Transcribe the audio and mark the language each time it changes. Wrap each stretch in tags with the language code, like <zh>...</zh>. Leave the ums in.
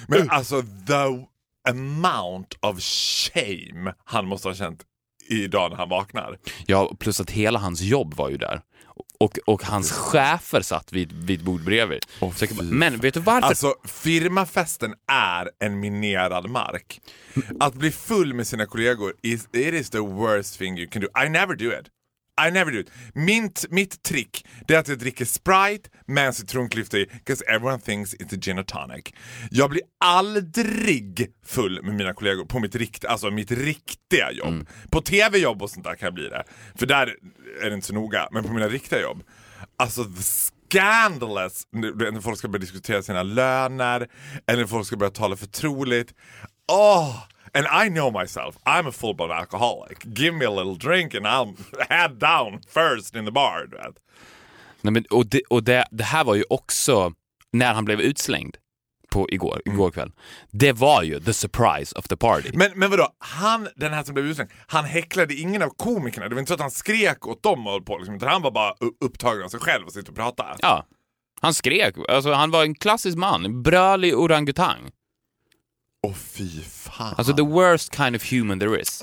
<sv>Men alltså</sv> <en>the amount of shame</en> <sv>han måste ha känt idag när han vaknar. Ja, plus att hela hans jobb var ju där. Och, och hans chefer satt vid, vid bord bredvid. Så jag kan bara, men vet du varför? Alltså firmafesten är en minerad mark. Att bli full med sina kollegor,</sv> <en>is, it is the worst thing you can do. I never do it. I never do it.</en> <sv>Mitt, mitt trick det är att jag dricker Sprite med en citronklyfta i,</sv> <en>'cause everyone thinks it's a gin and tonic.</en> <sv>Jag blir aldrig full med mina kollegor på mitt, rikt, alltså mitt riktiga jobb. På tv-jobb och sånt där kan jag bli det, för där är det inte så noga. Men på mina riktiga jobb, alltså</sv> <en>the scandalous,</en> <sv>när när folk ska börja diskutera sina löner eller när folk ska börja tala förtroligt.</sv> <en>Åh! And I know myself. I'm a full-blown alcoholic. Give me a little drink and I'll head down first in the bar.</en> <sv>du vet. Nej, men, och det, och det, det här var ju också när han blev utslängd på igår, igår kväll. Det var ju</sv> <en>the surprise of the party.</en> <sv>Men, men vadå, han, den här som blev utslängd, han häcklade ingen av komikerna. Det var inte så att han skrek åt dem och höll på, liksom, utan han var bara u- upptagen av sig själv och sitter och pratar. Ja, han skrek. Alltså, han var en klassisk man, en brölig orangutang. Åh fy fan.</sv> <en>Alltså the worst kind of human there is.</en>